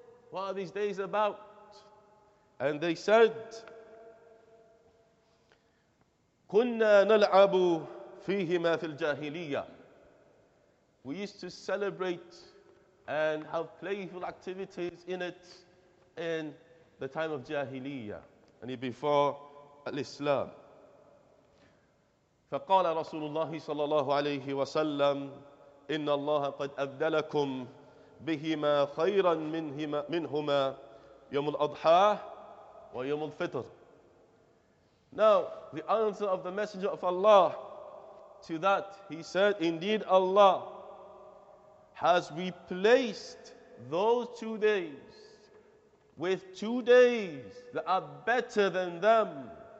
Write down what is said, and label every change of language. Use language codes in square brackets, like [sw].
[en] What are these days about? And they said, [ar] كُنَّا نَلْعَبُ فِيهِمَا فِي الْجَاهِلِيَّةِ. [en] We used to celebrate and have playful activities in it in the time of Jahiliyyah, and before Al-Islam. [ar] فقال رسول الله صلى الله عليه وسلم إن الله قد أبدلكم بهما خيرا منهما يوم الأضحى ويوم الفطر. [en] Now the answer of the Messenger of Allah to that, he said, indeed Allah has replaced those 2 days with 2 days that are better than them.